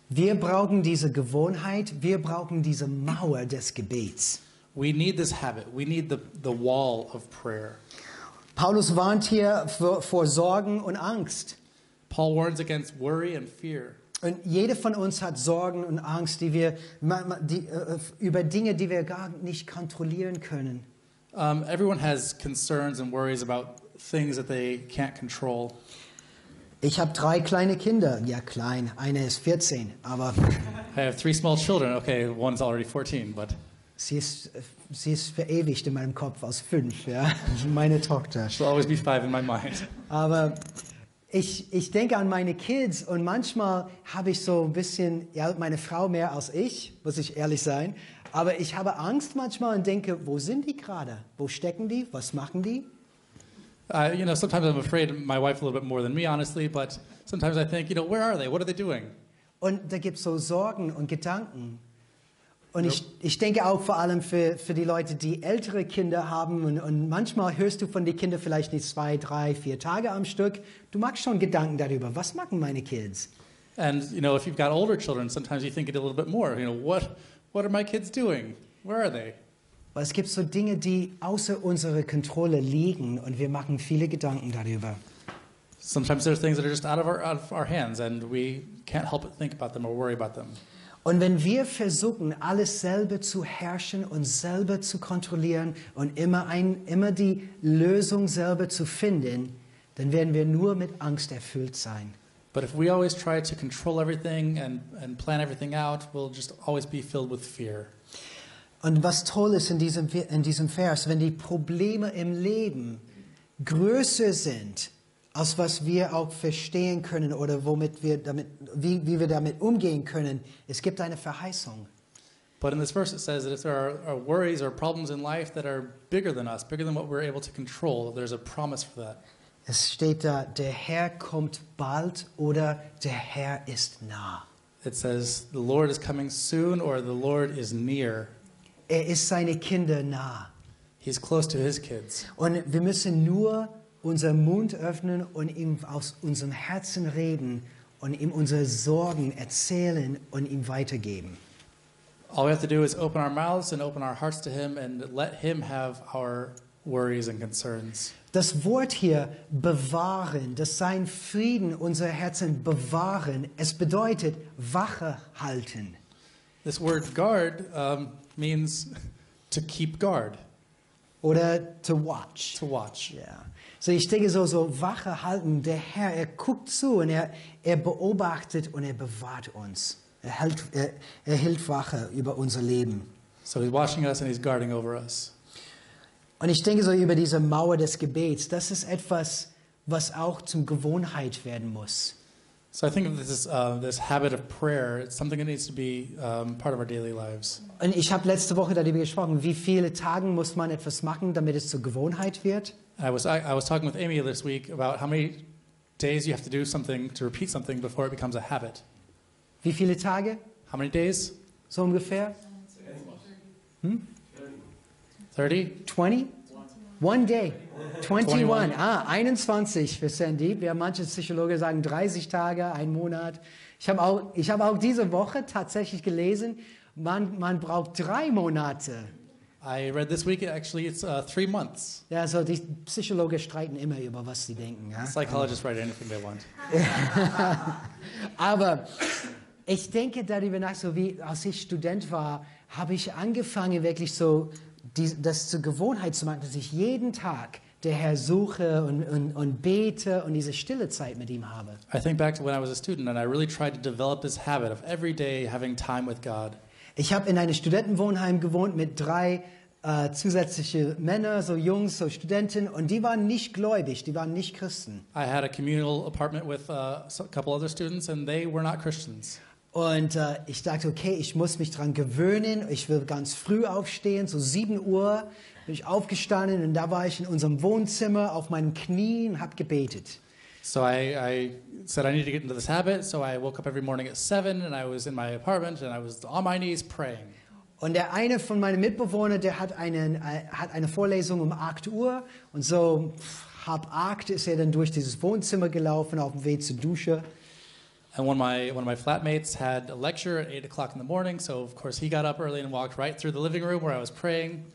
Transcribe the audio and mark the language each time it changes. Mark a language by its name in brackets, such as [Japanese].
[German] Wir brauchen diese Gewohnheit, wir brauchen diese Mauer des Gebets. [English] We need this habit, we need the wall of prayer. [German] Paulus warnt hier vor Sorgen und Angst. [English] Paul warns against worry and fear. [German] Und jeder von uns hat Sorgen und Angst, über Dinge, die wir gar nicht kontrollieren können. [English] Everyone has concerns and worries about things that they can't control. [German] Ich habe drei kleine Kinder. Ja, klein. Eine ist 14, aber... [English] I have three small children. Okay, one's already 14, but... [German] Sie ist verewigt in meinem Kopf als 5, ja. Meine Tochter. [English] She'll always be 5 in my mind. [German] Aber ich denke an meine Kids und manchmal habe ich so ein bisschen... Ja, meine Frau mehr als ich, muss ich ehrlich sein. Aber ich habe Angst manchmal und denke, wo sind die gerade? Wo stecken die? Was machen die? [English] Sometimes I'm afraid my wife a little bit more than me, honestly, but sometimes I think, where are they? What are they doing? [German] Und da gibt's so Sorgen und Gedanken. Und nope. Ich denke auch vor allem für die Leute, die ältere Kinder haben und manchmal hörst du von den Kindern vielleicht nicht 2, 3, 4 Tage am Stück. Du machst schon Gedanken darüber. Was machen meine Kids? [English] And, if you've got older children, sometimes you think it a little bit more. What are my kids doing? Where are they? [German] Weil es gibt so Dinge, die außer unserer Kontrolle liegen und wir machen viele Gedanken darüber. [English] Sometimes there are things that are just out of our hands and we can't help but think about them or worry about them. [German] Und wenn wir versuchen, alles selber zu herrschen und selber zu kontrollieren und immer die Lösung selber zu finden, dann werden wir nur mit Angst erfüllt sein. [English] But if we always try to control everything and plan everything out, we'll just always be filled with fear. [German] Und was toll ist in diesem Vers, wenn die Probleme im Leben größer sind, als was wir auch verstehen können oder wie wir damit umgehen können, es gibt eine Verheißung. [English] But in this verse it says that if there are worries or problems in life that are bigger than us, bigger than what we're able to control, there's a promise for that. [German] Es steht da, der Herr kommt bald oder der Herr ist nah. [English] It says, the Lord is coming soon or the Lord is near. [German] Er ist seine Kinder nah. [English] He's close to his kids. [German] Und wir müssen nur unseren Mund öffnen und ihm aus unserem Herzen reden und ihm unsere Sorgen erzählen und ihm weitergeben. [English] All we have to do is open our mouths and open our hearts to him and let him have our worries and concerns. [German] Das Wort hier bewahren, das sein Frieden unser Herzen bewahren, es bedeutet Wache halten. [English] This word guard means to keep guard. [German] Oder [English] to watch. To watch. Yeah. [German] So ich denke so, so Wache halten, der Herr, er guckt zu und er beobachtet und er bewahrt uns. Er hält Wache über unser Leben. [English] So he's watching us and he's guarding over us. [German] Und ich denke so über diese Mauer des Gebets, das ist etwas, was auch zum Gewohnheit werden muss. [English] So I think of this habit of prayer, it's something that needs to be part of our daily lives. [German] Und ich habe letzte Woche darüber gesprochen, wie viele Tage muss man etwas machen, damit es zur Gewohnheit wird? [English] I was talking with Amy this week about how many days you have to do something to repeat something before it becomes a habit. [German] Wie viele Tage? [English] How many days? [German] So ungefähr? 21 für Sandy. Wir haben manche Psychologen sagen 30 Tage, ein Monat. Ich habe auch diese Woche tatsächlich gelesen, man braucht 3 Monate. [English] I read this week, actually it's 3 months. [German] Ja, so die Psychologen streiten immer über was sie denken. Ja? [English] Psychologists write anything they want. [German] Aber ich denke darüber nach, so wie als ich Student war, habe ich angefangen wirklich so, das zur Gewohnheit zu machen, dass ich jeden Tag der Herr suche und bete und diese stille Zeit mit ihm habe. [English] I think back to when I was a student and I really tried to develop this habit of every day having time with God. [German] Ich habe in einem Studentenwohnheim gewohnt mit 3 zusätzliche Männer, so Jungs, so Studenten, und die waren nicht gläubig, die waren nicht Christen. [English] I had a communal apartment with a couple other students and they were not Christians. [German] Und ich dachte, okay, ich muss mich dran gewöhnen, ich will ganz früh aufstehen, so 7 Uhr bin ich aufgestanden und da war ich in unserem Wohnzimmer auf meinen Knien und habe gebetet. [English] So I said I need to get into this habit, so I woke up every morning at 7 and I was in my apartment and I was on my knees praying. [German] Und der eine von meinen Mitbewohnern, der hat eine Vorlesung um 8 Uhr und so halb 8 ist er dann durch dieses Wohnzimmer gelaufen auf dem Weg zur Dusche. [English] And one of my flatmates had a lecture at 8 o'clock in the morning, so of course he got up early and walked right through the living room where I was praying.